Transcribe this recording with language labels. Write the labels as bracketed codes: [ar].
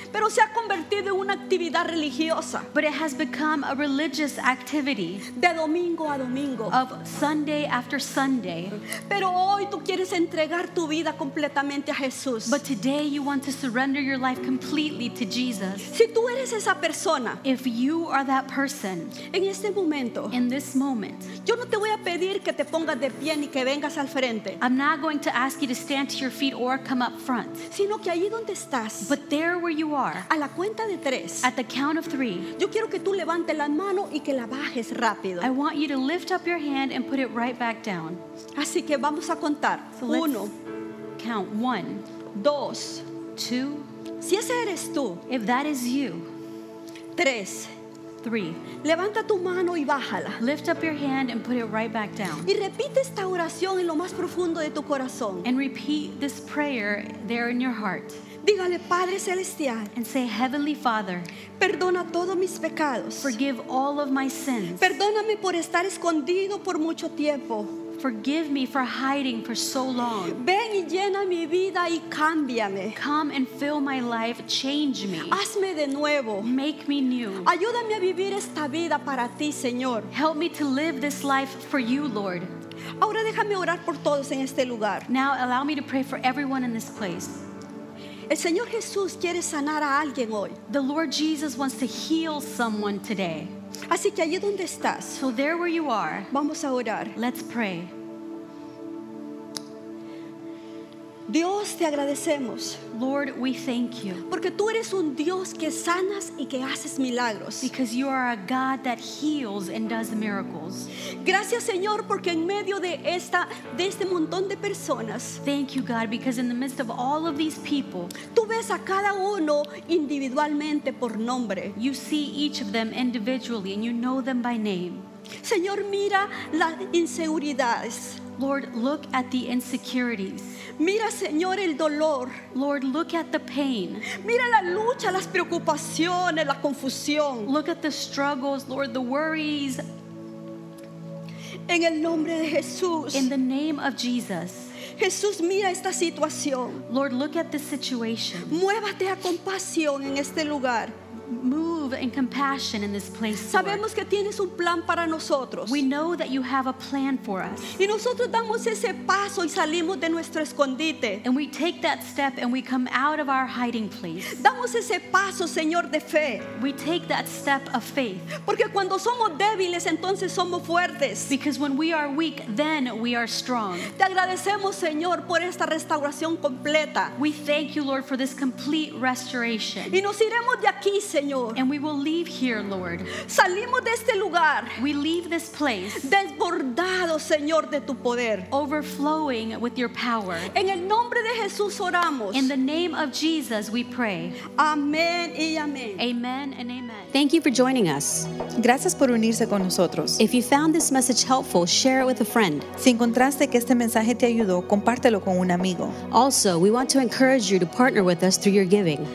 [es] pero se ha convertido en una actividad religiosa. [en] But it has become a religious activity. [es] De domingo a domingo. [en] Of Sunday after Sunday. [es] Pero hoy tú quieres entregar tu vida completamente a Jesús. [en] But today you want to surrender your life completely to Jesus. [es] Si tú eres esa persona, [en] if you are that person, [es] en este momento, [en] in this moment, [es] yo no te voy a pedir que te pongas de pie ni que vengas al frente. [en] I'm not going to ask you to stand to your feet or come up front. [es] Sino que allí donde estás, [en] but there where you are, [es] a la cuenta de tres, [en] at the count of three, [es] yo quiero que tú levantes la mano y que la bajes rápido. [en] I want you to lift up your hand and put it right back down. [es] Así que vamos a contar. [en] So let's [es] uno, [en] count one, [es] dos, [en] two, [es] si ese eres tú, [en] if that is you, [es] tres, [en] three. [es] Levanta tu mano y bájala. [en] Lift up your hand and put it right back down. [es] Y repite esta oración en lo más profundo de tu corazón. [en] And repeat this prayer there in your heart. [es] Dígale, Padre Celestial. [en] And say, Heavenly Father, [es] perdona todos mis pecados. [en] Forgive all of my sins. [es] Perdóname por estar escondido por mucho tiempo. [en] Forgive me for hiding for so long. [es] Ven y llena mi vida y cámbiame. [en] Come and fill my life, change me. [es] Hazme de nuevo. [en] Make me new. [es] Ayúdame a vivir esta vida para ti, Señor. [en] Help me to live this life for you, Lord. [es] Ahora déjame orar por todos en este lugar. [en] Now allow me to pray for everyone in this place. [es] El Señor Jesús quiere sanar a alguien hoy. [en] The Lord Jesus wants to heal someone today. [es] Así que allí donde estás, [en] so there where you are, [es] vamos a orar. [en] Let's pray. [es] Dios, te agradecemos. [en] Lord, we thank you. [es] Porque tú eres un Dios que sanas y que haces milagros. [en] Because you are a God that heals and does miracles. [es] Gracias, Señor, porque en medio de esta de este montón de personas, [en] thank you, God, because in the midst of all of these people, [es] tú ves a cada uno individualmente por nombre. [en] You see each of them individually and you know them by name. [es] Señor, mira las inseguridades. [en] Lord, look at the insecurities. [es] Mira, Señor, el dolor. [en] Lord, look at the pain. [es] Mira la lucha, las preocupaciones, la confusión. [en] Look at the struggles, Lord, the worries. [es] En el nombre de Jesús. [en] In the name of Jesus. [es] Jesús, mira esta situación. [en] Lord, look at this situation. [es] Muévate a compasión en este lugar. [en] Move in compassion in this place, Lord. [es] Sabemos que tienes un plan para nosotros. [en] We know that you have a plan for us. [es] Y nosotros damos ese paso y salimos de nuestro escondite. [en] And we take that step and we come out of our hiding place. [es] Damos ese paso, Señor, de fe. [en] We take that step of faith. [es] Porque cuando somos débiles, entonces somos fuertes. [en] Because when we are weak, then we are strong. [es] Te agradecemos, Señor, por esta restauración completa. [en] We thank you, Lord, for this complete restoration. [es] Y nos iremos de aquí, Señor. [en] And we will leave here, Lord. [es] Salimos de este lugar. [en] We leave this place. [es] Desbordado, Señor, de tu poder. [en] Overflowing with your power. [es] En el nombre de Jesús oramos. [en] In the name of Jesus, we pray. [es] Amén y amén. [en] Amen and amen. Thank you for joining us. [es] Gracias por unirse con nosotros. [en] If you found this message helpful, share it with a friend. [es] Si encontraste que este mensaje te ayudó, compártelo con un amigo. [en] Also, we want to encourage you to partner with us through your giving.